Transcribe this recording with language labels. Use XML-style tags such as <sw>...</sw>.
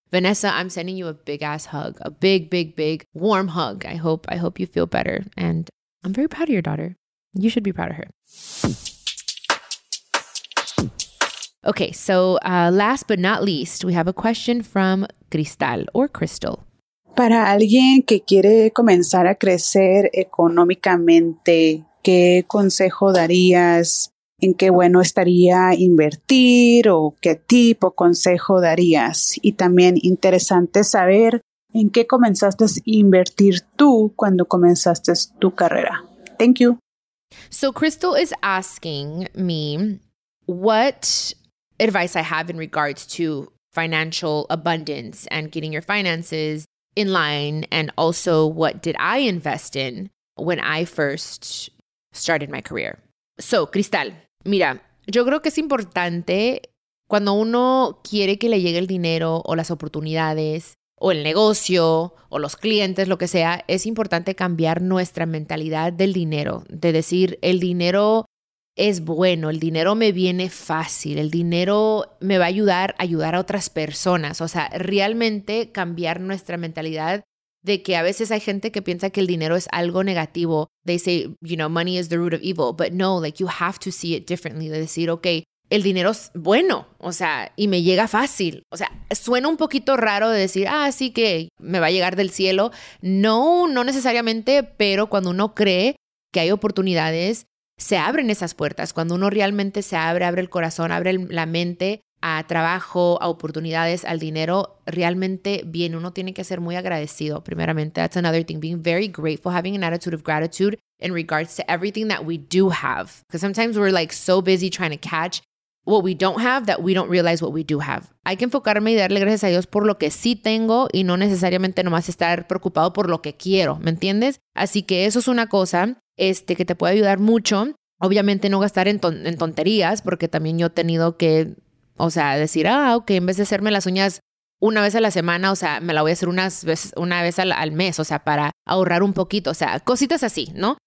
<en>Vanessa, I'm sending you a big ass hug, a big, big, big warm hug. I hope you feel better. And I'm very proud of your daughter. You should be proud of her. Okay, so last but not least, we have a question from Cristal or Crystal.</en> <es>Para alguien que quiere comenzar a crecer económicamente, ¿qué consejo darías? ¿En qué bueno estaría invertir? ¿O qué tipo de consejo darías? Y también interesante saber en qué comenzaste a invertir tú cuando comenzaste tu carrera.</es> <en>Thank you. So Crystal is asking me what advice I have in regards to financial abundance and getting your finances in line, and also what did I invest in when I first started my career. So, Cristal,</en> <es>mira, yo creo que es importante Cuando uno quiere que le llegue el dinero o las oportunidades o el negocio o los clientes, lo que sea, es importante cambiar nuestra mentalidad del dinero, de decir el dinero es bueno, el dinero me viene fácil, el dinero me va a ayudar a ayudar a otras personas. O sea, realmente cambiar nuestra mentalidad de que a veces hay gente que piensa que el dinero es algo negativo.</es> <en>They say, you know, money is the root of evil. But no, like you have to see it differently.</en> <es>De decir, okay, el dinero es bueno, o sea, y me llega fácil. O sea, suena un poquito raro de decir, ah, sí que me va a llegar del cielo. No, no necesariamente, pero cuando uno cree que hay oportunidades, se abren esas puertas. Cuando uno realmente se abre, abre el corazón, abre la mente a trabajo, a oportunidades, al dinero, realmente viene. Uno tiene que ser muy agradecido, primeramente.</es> <en>That's another thing, being very grateful, having an attitude of gratitude in regards to everything that we do have. Because sometimes we're like so busy trying to catch what we don't have that we don't realize what we do have.</en> <es>Hay que enfocarme y darle gracias a Dios por lo que sí tengo y no necesariamente nomás estar preocupado por lo que quiero, ¿me entiendes? Así que eso es una cosa que te puede ayudar mucho. Obviamente no gastar en tonterías, porque también yo he tenido que, o sea, decir, ah, ok, en vez de hacerme las uñas una vez a la semana, o sea, me la voy a hacer una vez al mes, o sea, para ahorrar un poquito, o sea, cositas así, ¿no?</es>